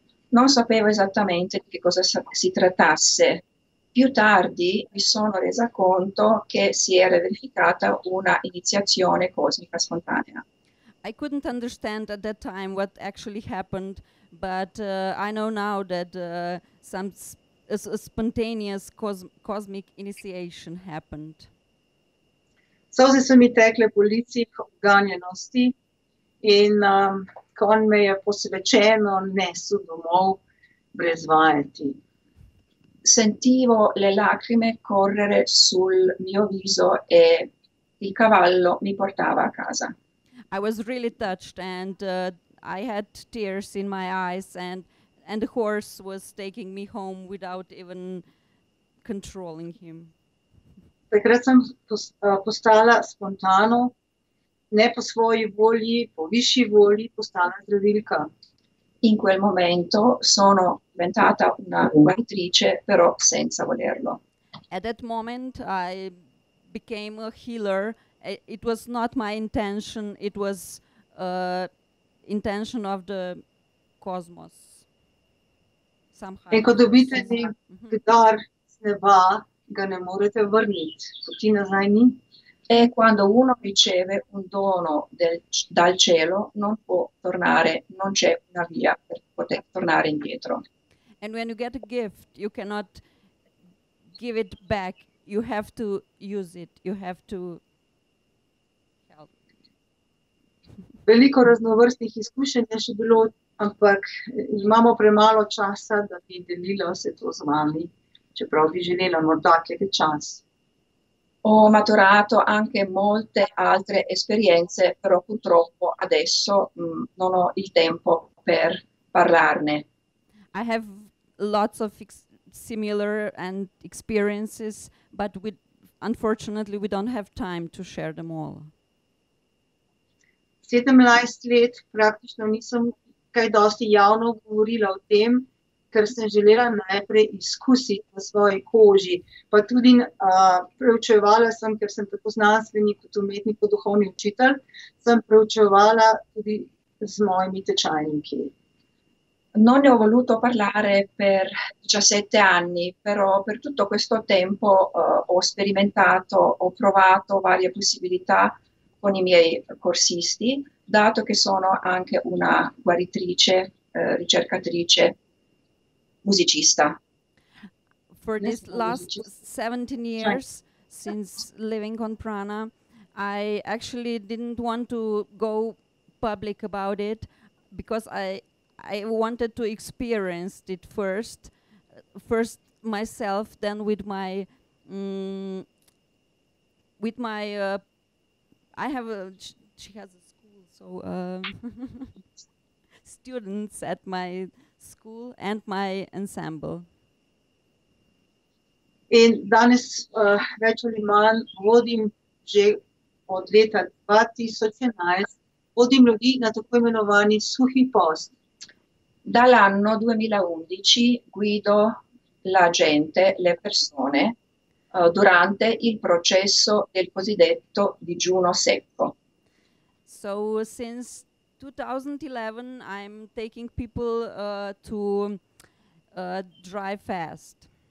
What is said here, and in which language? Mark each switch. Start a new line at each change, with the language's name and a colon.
Italian: Non sapevo esattamente di che cosa si trattasse. Più tardi mi sono resa conto che si era verificata una iniziazione cosmica spontanea.
English: I couldn't understand at that time what actually happened, but I know now that a spontaneous cosmic initiation happened.
Slovenian: Solze so mi tekle po licih uganjenosti in konj me je posvečeno nesel domov brez vajeti.
Italian: Sentivo le lacrime correre sul mio viso e il cavallo mi portava a casa.
English: I was really touched and I had tears in my eyes and the horse was taking me home without even controlling him.
Slovenian: Takrat sem postala spontano, ne po svoji volji, po višji volji, postala zdravilka.
Italian: In quel momento sono diventata una guaritrice, però senza volerlo.
English: At that moment I became a healer. It was not my intention, it was intention of the cosmos. Somehow.
Slovenian: E ko dobite nek dar z neba, ga ne morete vrniti. Poti nazaj ni.
Italian: E quando uno riceve un dono dal cielo, non può tornare, non c'è una via per poter tornare indietro.
English: And when you get a gift, you cannot give it back. You have to use it. You have to help.
Slovenian: Veliko raznovrstnih izkušenj je še bilo, ampak imamo premalo časa, da bi delilo se to z vami, čeprav bi želela morda kakšen čas.
Italian: Ho maturato anche molte altre esperienze, però purtroppo adesso non ho il tempo per parlarne.
English: I have lots of similar and experiences, but unfortunately we don't have time to share them all.
Slovenian: 17 let praktično nisem kaj dosti javno govorila o tem, ker sem želela najprej izkusiti na svoji koži, pa tudi preučevala sem, ker sem tako znanstvenik kot umetnik kot duhovni učitelj, sem preučevala tudi z mojimi tečajniki.
Italian: Non ne ho voluto parlare per 17 anni, però per tutto questo tempo ho sperimentato, ho provato varie possibilità con i miei corsisti, dato che sono anche una guaritrice, ricercatrice, musicista.
English: For this last 17 years since living on Prana, I actually didn't want to go public about it because I wanted to experience it first myself, then students at my school and my ensemble.
Slovenian: In danes več ali manj vodim že od leta 2011, vodim ljudi na tako imenovani suhi post.
Italian: Dall'anno 2011 guido la gente, le persone, durante il processo del cosiddetto digiuno secco.
English: So since 2011 I'm taking people to dry fast.